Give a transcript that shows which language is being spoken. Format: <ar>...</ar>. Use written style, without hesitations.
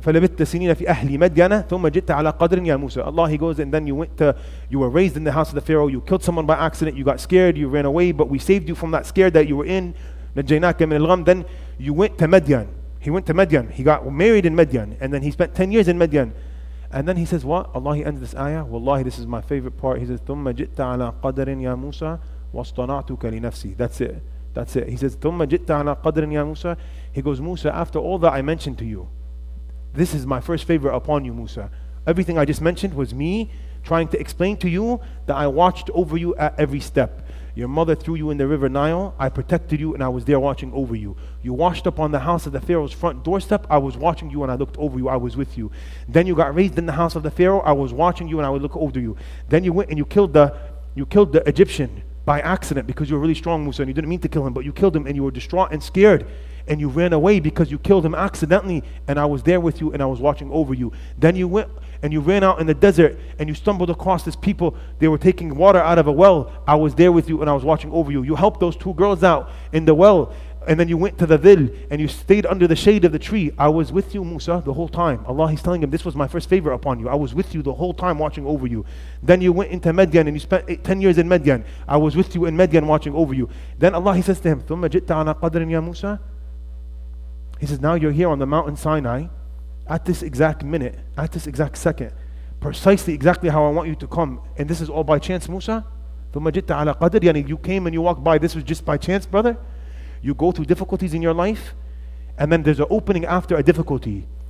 <ar>فَلَبِتَّ سِنِينَ فِي أَهْلِ مَدْيَنَا ثُمَّ جِتَّ عَلَى قَدْرٍ يَا مُوسَى.</ar> <en>Allah, he goes, and then you were raised in the house of the Pharaoh, you killed someone by accident, you got scared, you ran away, but we saved you from that scare that you were in.</en> <ar>نَجَّيْنَاكَ مِنَ الْغَمِّ.</ar> <en>Then you went to Madian. He went to Madian. He got married in Madian. And then he spent 10 years in Madian. And then he says, what? Allah, he ends this ayah.</en> <ar>Wallahi,</ar> <en>this is my favorite part. He says,</en> <ar>ثُمَّ جِتَّ عَلَى قَدْرٍ يَا مُوسَى وَاصْطَنَعْتُكَ لِنَفْسِي.</ar> <en>That's it. That's it. He says,</en> <ar>ثُمَّ جِتَّ عَلَى قَدْرٍ يَا مُوسَى.</ar> <en>He goes, Musa, after all that I mentioned to you, this is my first favor upon you, Musa. Everything I just mentioned was me trying to explain to you that I watched over you at every step. Your mother threw you in the river Nile. I protected you and I was there watching over you. You washed up on the house of the Pharaoh's front doorstep. I was watching you and I looked over you. I was with you. Then you got raised in the house of the Pharaoh. I was watching you and I would look over you. Then you went and you killed the Egyptian by accident because you were really strong, Musa, and you didn't mean to kill him, but you killed him and you were distraught and scared. And you ran away because you killed him accidentally, and I was there with you and I was watching over you. Then you went and you ran out in the desert and you stumbled across this people. They were taking water out of a well. I was there with you and I was watching over you. You helped those two girls out in the well, and then you went to the dhil and you stayed under the shade of the tree. I was with you, Musa, the whole time. Allah, he's telling him, this was my first favor upon you. I was with you the whole time watching over you. Then you went into Madian and you spent 10 years in Madian. I was with you in Madian watching over you. Then Allah, he says to him,</en> <ar>ثُمَّ جِتَّ عَلَى قَدْرٍ يَا مُوسَى.</ar> <en>He says, now you're here on the mountain Sinai at this exact minute, at this exact second, precisely exactly how I want you to come. And this is all by chance, Musa?</en> <ar>ثُمَّ جِتَّ عَلَى قَدْرٍ.</ar> <en>Yani you came and you walked by. This was just by chance, brother? You go through difficulties in your life, and then there's an opening after a difficulty.</en>